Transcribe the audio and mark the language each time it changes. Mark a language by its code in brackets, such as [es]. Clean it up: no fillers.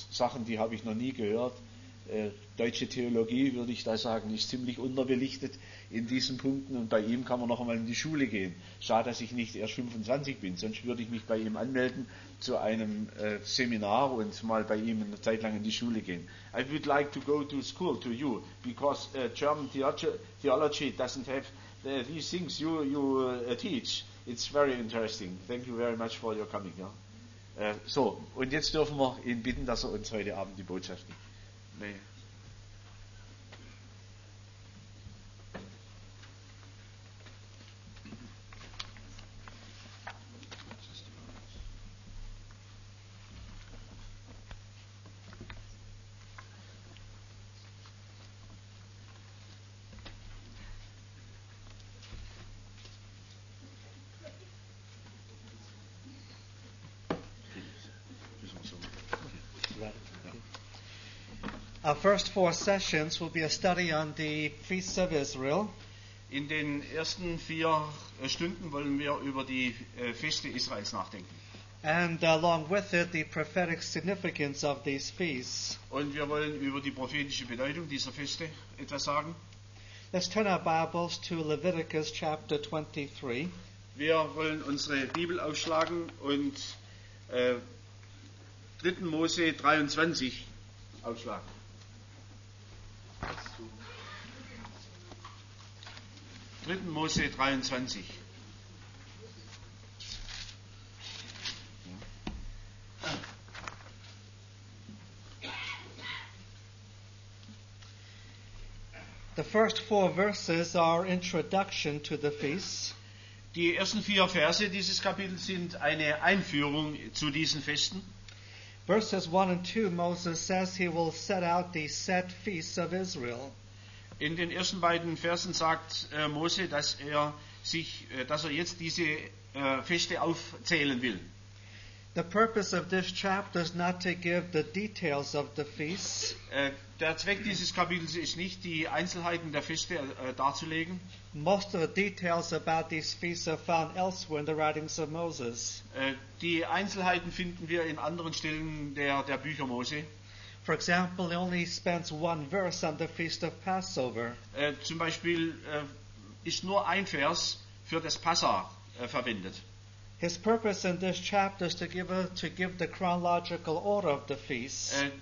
[de] Sachen, die habe ich noch nie gehört. Deutsche Theologie, würde ich da sagen, ist ziemlich unterbelichtet in diesen Punkten, und bei ihm kann man noch einmal in die Schule gehen. Schade, dass ich nicht erst 25 bin, sonst würde ich mich bei ihm anmelden zu einem Seminar und mal bei ihm eine Zeit lang in die Schule gehen. [en] I would like to go to school to you, because German theology doesn't have these things you teach. It's very interesting. Thank you very much for your coming. Yeah? [de] So, und jetzt dürfen wir ihn bitten, dass er uns heute Abend die Botschaft gibt. [en] Our first 4 sessions will be a study on the feasts of Israel. [de] In den ersten 4 Stunden wollen wir über die Feste Israels nachdenken. [en] And along with it, the prophetic significance of these feasts. [de] Und wir wollen über die prophetische Bedeutung dieser Feste etwas sagen. [en] Let's turn our Bibles to Leviticus chapter 23. [de] Wir wollen unsere Bibel aufschlagen und 3. Mose 23 aufschlagen. Dritten Mose 23. [en] The first 4 verses are introduction to the feasts. [de] Die ersten 4 Verse dieses Kapitels sind eine Einführung zu diesen Festen. [en] Verses 1 and 2, Moses says he will set out the set feasts of Israel. [de] In den ersten beiden Versen sagt Mose, dass er jetzt diese Feste aufzählen will. [en] The purpose of this chapter is not to give the details of the feasts. [de] Der Zweck dieses Kapitels ist nicht, die Einzelheiten der Feste darzulegen. [en] Most of the details about these feasts are found elsewhere in the writings of Moses. [de] Die Einzelheiten finden wir in anderen Stellen der Bücher Mose. [en] For example, he only spends 1 verse on the feast of Passover. [de] Zum Beispiel ist nur 1 Vers für das Passa verwendet. [en] His purpose in this chapter is to give the chronological order of the feasts.